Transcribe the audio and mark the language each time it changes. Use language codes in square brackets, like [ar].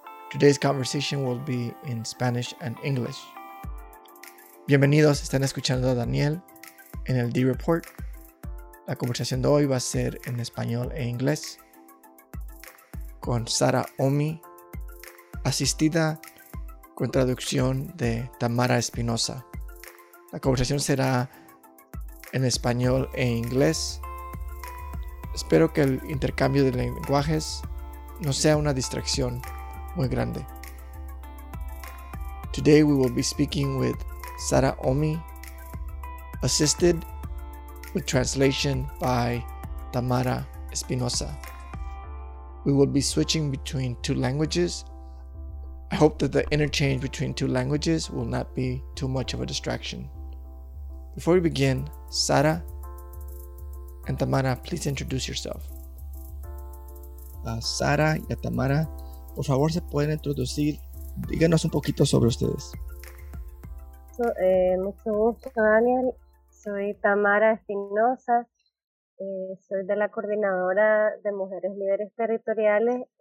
[en] Today's conversation will be in Spanish and English. [es] Bienvenidos, están escuchando a Daniel en el D Report. La conversación de hoy va a ser en español e inglés con Sara Omi, asistida con traducción de Tamara Espinosa. La conversación será en español e inglés. Espero que el intercambio de lenguajes no sea una distracción muy grande. [en] Today we will be speaking with Sara Omi, assisted with translation by Tamara Espinosa. We will be switching between two languages. I hope that the interchange between two languages will not be too much of a distraction. Before we begin, Sara and Tamara, please introduce yourself. [es] Sara y Tamara, por favor, se pueden introducir. Díganos un poquito sobre ustedes. Mucho gusto, Daniel. Soy Tamara Espinosa. Soy de la coordinadora de Mujeres Lideres Territoriales.